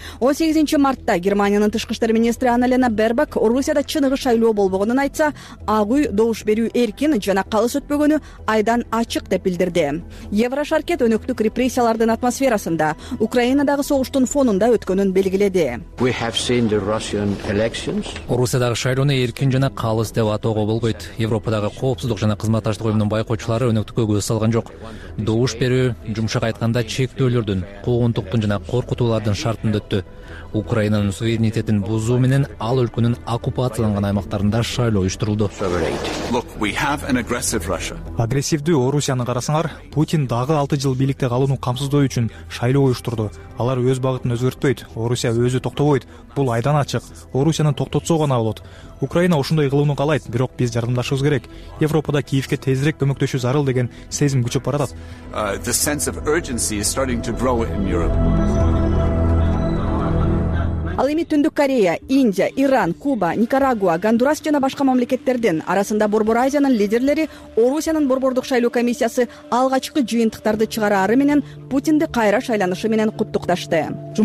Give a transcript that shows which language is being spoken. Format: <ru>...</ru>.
<ky>18 мартта Германиянын тышкы иштер министри Аннелена Бербак Орусияда чыныгы шайлоо болбогонун айтса, Ак Үй добуш берүү эркин жана калыс өтпөгөнү айдан ачык деп билдирди. Еврошаркет өнөктүк репрессиялардын атмосферасында Украина дагы согуштун фонунда өткөнүн белгиледи.</ky> <en>We have seen the Russian elections.</en> <ky>Орусиядагы шайлоону эркин жана калыс деп атоого болбойт. Европадагы коопсуздук жана кызматташтык уюмунун байкоочулары өнөктүккө көз салган жок. Добуш берүү жумшак айтканда чектөөлөрдүн, куугунтуктун жана коркутуулардын шартында өттү. Украинанын суверенитетин бузуу менен ал өлкөнүн оккупацияланган аймактарында шайлоо уюштурулду.</ky> <en>Look, we have an aggressive Russia.</en> <ky>Агрессивдүү Орусияны карасаңар, Путин дагы 6 жыл бийликте калууну камсыздоо үчүн шайлоо уюштурду. Алар өз багытын өзгөртпөйт. Орусия өзү токтобойт. Бул айдан ачык. Орусияны токтотсо гана болот. Украина ушундай кылууну каалайт, бирок биз жардамдашыбыз керек. Европада Киевке тезирээк көмөктөшүү зарыл деген сезим күчөп баратат.</ky> <en>The sense of urgency is starting to grow in Europe.</en> <ky>Ал эми Түндүк Корея, Индия, Иран, Куба, Никарагуа, Гондурас жана башка мамлекеттердин арасында Борбор Азиянын лидерлери Орусиянын борбордук шайлоо комиссиясы алгачкы жыйынтыктарды чыгараары менен Путинди кайра шайланышы менен куттукташты.</ky>